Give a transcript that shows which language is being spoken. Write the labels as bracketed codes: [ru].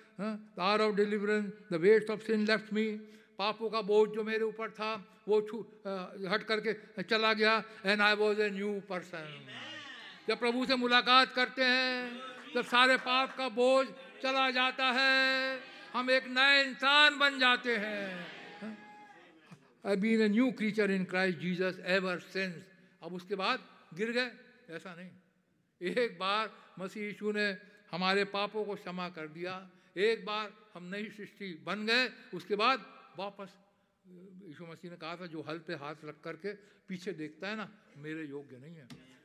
[en] the hour of deliverance the weight of sin left me, [hi] पापों का बोझ जो मेरे ऊपर था वो हट करके चला गया [en] And I was a new person. [hi] जब प्रभु से मुलाकात करते हैं तब सारे पाप का बोझ चला जाता है, हम एक नए इंसान बन जाते हैं। [en] I've been a new creature in Christ Jesus ever since. [hi] अब उसके बाद गिर गए, ऐसा नहीं। एक बार मसीह यीशु ने हमारे पापों को क्षमा कर दिया, एक बार हम नई सृष्टि बन गए, उसके बाद वापस यीशु मसीह ने कहा था जो हल पे हाथ रख करके पीछे देखता है ना, मेरे योग्य नहीं है।